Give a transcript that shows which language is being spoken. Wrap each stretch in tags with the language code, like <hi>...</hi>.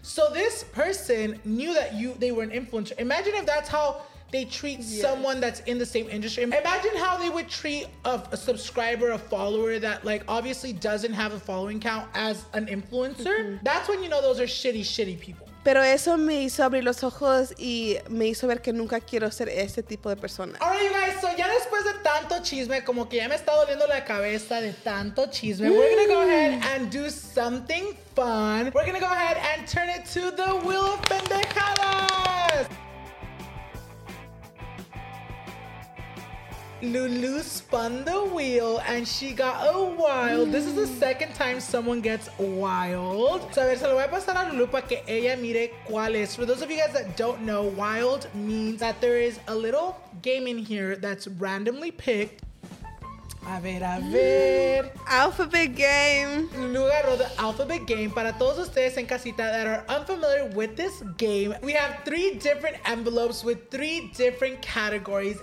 <en>So this person knew that they were an influencer. Imagine if that's how they treat someone that's in the same industry. Imagine how they would treat a subscriber, a follower that like obviously doesn't have a following count as an influencer. Mm-hmm. That's when you know those are shitty people.</en> <es>Pero eso me hizo abrir los ojos y me hizo ver que nunca quiero ser ese tipo de persona.</es> <en>All right, you guys, so</en> <es>ya después de tanto chisme,</es> <en>como que ya me está doliendo la cabeza de tanto chisme, we're gonna go ahead and do something fun. We're gonna go ahead and turn it to the Wheel of Pendejadas. Lulu spun the wheel and she got a wild. This is the second time someone gets wild.</en> <es>So, a ver, se lo voy a pasar a Lulu para que ella mire cuál es.</es> <en>For those of you guys that don't know, wild means that there is a little game in here that's randomly picked.</en> <es>A ver, a ver.</es> <en>Alphabet game.</en> <es>Lulu agarró</es> <en>the alphabet game.</en> <es>Para todos ustedes en casita</es> <en>that are unfamiliar with this game, we have 3 different envelopes with 3 different categories.</en>